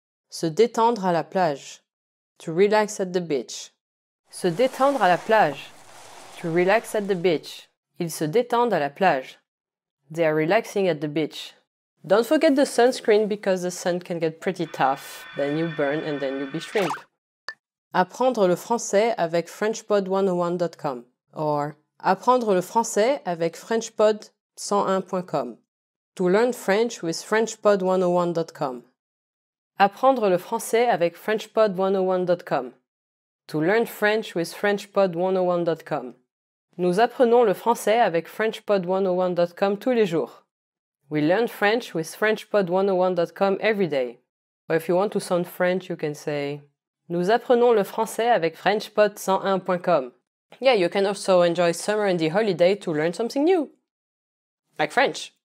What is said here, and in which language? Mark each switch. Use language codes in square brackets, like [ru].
[fr] Se détendre à la plage. [en] To relax at the beach. [fr] Se détendre à la plage. [en] To relax at the beach. [fr] Ils se détendent à la plage. [en] They are relaxing at the beach. Don't forget the sunscreen because the sun can get pretty tough. Then you burn and then you be shrimp. [fr] Apprendre le français avec FrenchPod101.com or apprendre le français avec FrenchPod101.com. [en] To learn French with FrenchPod101.com. [fr] Apprendre le français avec FrenchPod101.com. [en] To learn French with FrenchPod101.com. [fr] Nous apprenons le français avec FrenchPod101.com tous les jours. [en] We learn French with FrenchPod101.com every day. Or if you want to sound French, you can say [fr] nous apprenons le français avec FrenchPod101.com. [en] Yeah, you can also enjoy summer and the holiday to learn something new. Like French.